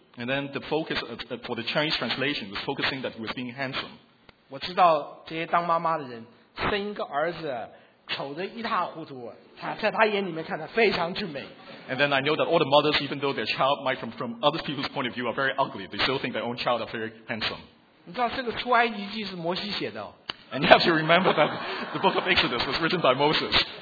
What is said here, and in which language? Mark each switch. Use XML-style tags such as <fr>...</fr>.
<en>And then the focus for the Chinese translation was focusing that he was being handsome.</en> <zh>我知道这些当妈妈的人生一个儿子丑得一塌糊涂，他在他眼里面看他非常俊美。</zh> <en>And then I know that all the mothers, even though their child might from other people's point of view are very ugly, they still think their own child are very handsome.</en> <zh>你知道这个出埃及记是摩西写的。</zh> <en>And you have to remember that the book of Exodus was written by Moses.</en>